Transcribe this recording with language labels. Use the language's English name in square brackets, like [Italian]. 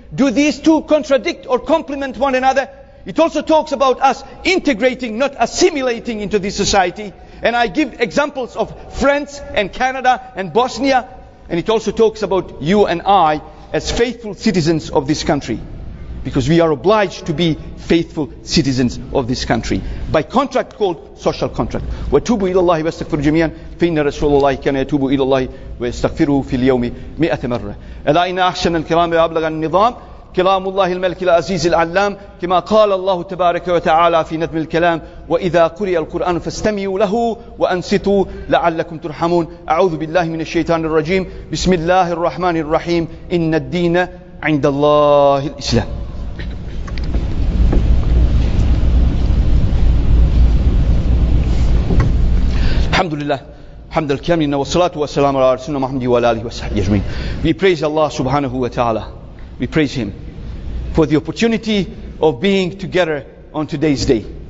[English] Do these two contradict or complement one another? It also talks about us integrating, not assimilating into this society. And I give examples of France and Canada and Bosnia. And it also talks about you and I as faithful citizens of this country. Because we are obliged to be faithful citizens of this country. By contract called social contract. [Arabic] وَتُوبُ إِلَى اللَّهِ وَاسْتَغْفِرُ جَمِيعًا فَإِنَّ رَسُولَ اللَّهِ كَانَ يَتُوبُ إِلَى اللَّهِ وَيَسْتَغْفِرُهُ فِي الْيَوْمِ 100 مَرَّةً أَلَا إِنَّ أَحْسَنَ الْكِلَامِ وَأَبْلَغَ النِّظَامِ كلام الله الملك العزيز العلام كما قال الله تبارك وتعالى في نظم الكلام وإذا قرئ القرآن فاستمعوا له وأنصتوا لعلكم ترحمون أعوذ بالله من الشيطان الرجيم بسم الله الرحمن الرحيم إن الدين عند الله الإسلام الحمد لله الحمد الكامل والصلاة والسلام على رسولنا محمد وعلى آله وصحبه أجمعين. [English] We praise Allah subhanahu wa ta'ala. We praise Him for the opportunity of being together on today's day.